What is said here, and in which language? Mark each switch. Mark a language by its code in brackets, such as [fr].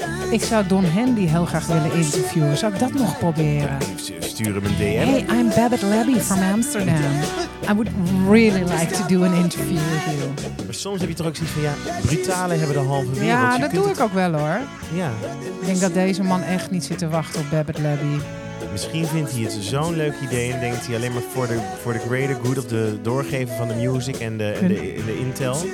[nl] Ik zou Don Henley heel graag willen interviewen. Zou ik dat nog proberen? Stuur hem een DM. [en] Hey, I'm Babette Labby from Amsterdam. I would really like to do an interview with you. [nl] Maar soms heb je toch ook zoiets van, ja, Britalen hebben de halve wereld. Ja, dat doe ik ook wel, hoor. Ja. Ik denk dat deze man echt niet zit te wachten op Babette Labby. Misschien vindt hij het zo'n leuk idee en denkt hij alleen maar voor de [en] greater good [nl] of de doorgeven van de music en de intel.